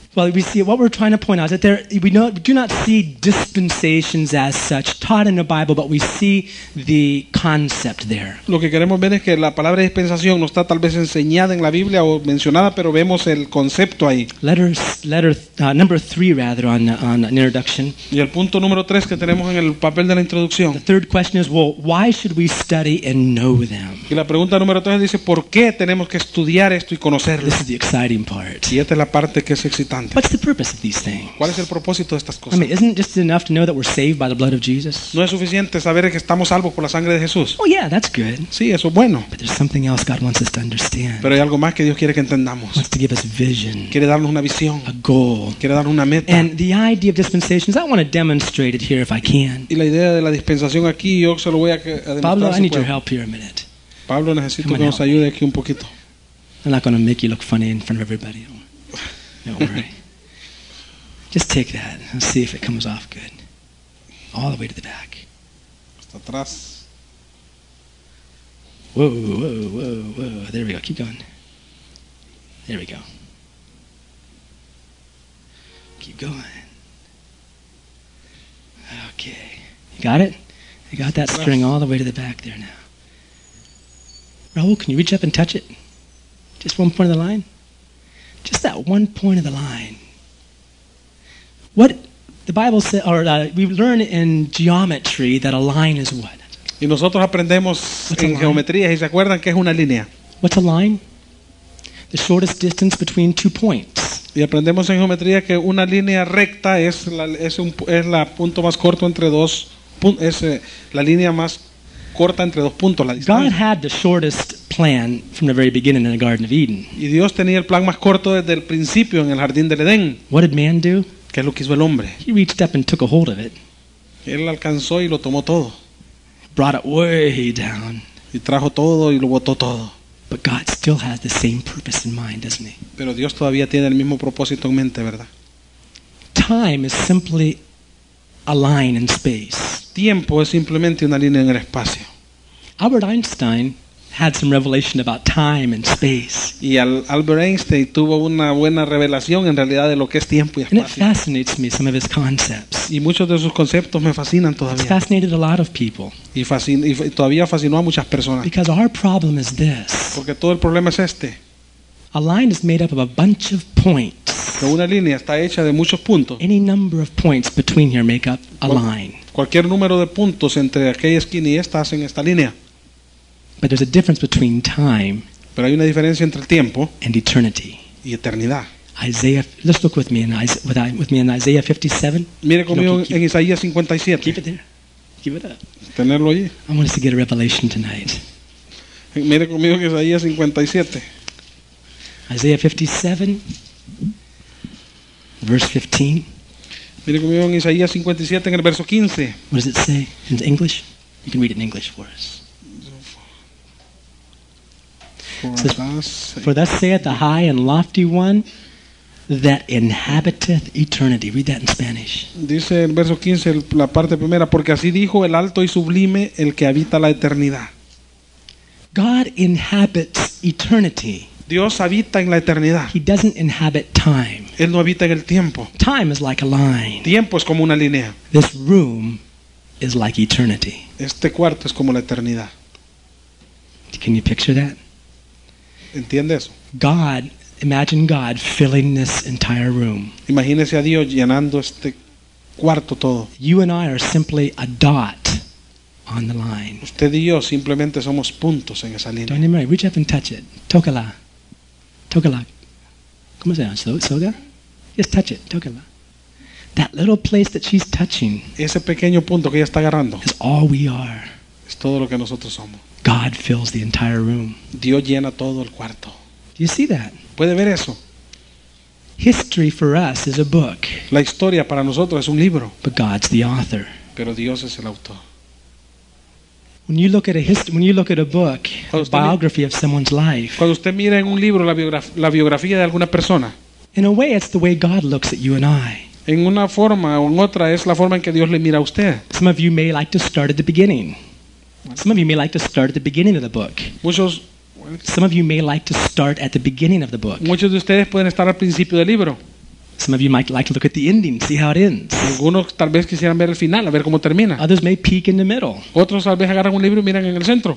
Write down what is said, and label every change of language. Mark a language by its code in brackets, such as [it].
[en] Well, we see what we're trying to point out is that we do not see dispensations as such taught in the Bible, but we see the concept there. [es] Lo que queremos ver es que la palabra dispensación no está tal vez enseñada en la Biblia o mencionada, pero vemos el concepto ahí. [en] Number three, on an introduction. [es] Y el punto número 3 que tenemos en el papel de la introducción. [en] The third question is, well, why should we study and know them? [es] Y la pregunta número 3 dice, ¿por qué tenemos que estudiar esto y conocerlo? [en] This is the exciting part. [es] Y esta es la parte que es excitante. [en] What's the purpose of these things? [es] ¿Cuál es el propósito de estas cosas? [en] I mean, isn't it just enough to know that we're saved by the blood of Jesus? [es] ¿No es suficiente saber que estamos salvos por la sangre de Jesús? [en] Oh yeah, that's good. [es] Sí, eso es bueno. [en] But there's something else God wants us to understand. [es] Pero hay algo más que Dios quiere que entendamos. [en] He wants to give us vision. [es] Quiere darnos una visión. [en] A goal. [es] Quiere darnos una meta. [en] And the idea of dispensations, I want to demonstrate it here if I can. [es] Y la idea de la dispensación aquí, yo se lo voy a demostrar. [en] Pablo, I need your help here a minute. [es] Pablo, necesito que nos ayude aquí un poquito. [en] I'm not going to make you look funny in front of everybody. Don't worry. Just take that and see if it comes off good. All the way to the back. [es] Hasta atrás. [en] Whoa. There we go. Keep going. There we go. Keep going. Okay. You got it? You got that string all the way to the back there now. Raul, can you reach up and touch it? Just one point of the line? Just that one point of the line. What the Bible says, or we learn in geometry that a line is what? [es] Y nosotros aprendemos en geometría y se acuerdan que es una línea. [en] What's a line? The shortest distance between two points. [es] Y aprendemos en geometría que una línea recta es la punto más corto entre dos puntos, es la línea más corta entre dos puntos, la distancia. [en] God had the shortest plan from the very beginning in the Garden of Eden. [es] Y Dios tenía el plan más corto desde el principio en el jardín del Edén. [en] What did man do? [es] ¿Qué es lo que hizo el hombre? [en] He reached up and took a hold of it. [es] Él alcanzó y lo tomó todo. [en] Brought it way down. [es] Y trajo todo y lo botó todo. [en] But God still has the same purpose in mind, doesn't he? [es] Pero Dios todavía tiene el mismo propósito en mente, ¿verdad? [en] Time is simply a line in space. [es] Tiempo es simplemente una línea en el espacio. [en] Albert Einstein had some revelation about time and space. [es] Y Albert Einstein tuvo una buena revelación en realidad de lo que es tiempo y espacio. [en] And it fascinates me, some of his concepts. [es] Y muchos de sus conceptos me fascinan todavía. [en] It's fascinated a lot of people. [es] Y todavía fascinó a muchas personas. [en] Because our problem is this. [es] Porque todo el problema es este. [en] A line is made up of a bunch of points. [es] Pero una línea está hecha de muchos puntos. [en] Any number of points between here make up a line. [es] Cualquier número de puntos entre aquella esquina y esta hacen esta línea. [en] But there's a difference between time. [es] Pero hay una diferencia entre el tiempo [en] and eternity. [es] Y eternidad. [en] Isaiah, let's look with me in Isaiah 57. [es] Mire conmigo en Isaías 57. [en] Keep it there. Give it up. [es] Tenerlo allí. [en] I want us to get a revelation tonight. [es] Mire conmigo que es Isaías 57. [en] Isaiah 57, verse 15. What does it say in English? You can read it in English for us. It says, "For thus saith the high and lofty one that inhabiteth eternity." Read that in Spanish. [es] Dice el verso 15, la parte primera, porque así dijo el alto y sublime, el que habita la eternidad. [en] God inhabits eternity. [es] Dios habita en la eternidad. [en] He doesn't inhabit time. [es] Él no habita en el tiempo. [en] Time is like a line. [es] Tiempo es como una línea. [en] This room is like eternity. [es] Este cuarto es como la eternidad. [en] Can you picture that? [es] ¿Entiende eso? [en] God, imagine God filling this entire room. [es] Imagínese a Dios llenando este cuarto todo. [en] You and I are simply a dot on the line. [es] Usted y yo simplemente somos puntos en esa línea. [en] Don't you worry, reach up and touch it. [es] Tócala. Tócala. ¿Cómo se llama? Soga? [en] Just touch it. [es] Tócala. [en] That little place that she's touching. [es] Ese pequeño punto que ella está agarrando. [en] Is all we are. [es] Es todo lo que nosotros somos. [en] God fills the entire room. [es] Dios llena todo el cuarto. [en] Do you see that? [es] ¿Puede ver eso? [en] History for us is a book. [es] La historia para nosotros es un libro. [en] But God's the author. [es] Pero Dios es el autor. [en] When you look at a history, when you look at a book, a biography of someone's life. [es] Cuando usted mira en un libro la biografía de alguna persona. [en] In a way, it's the way God looks at you and I. [es] En una forma o en otra es la forma en que Dios le mira a usted. [en] Some of you may like to start at the beginning. Some of you may like to start at the beginning of the book. [es] Muchos. [en] Some of you may like to start at the beginning of the book. [es] Muchos de ustedes pueden estar al principio del libro. [en] Some of you might like to look at the ending, see how it ends. [es] Algunos tal vez quisieran ver el final, a ver cómo termina. [en] Others may peek in the middle. [es] Otros tal vez agarran un libro y miran en el centro.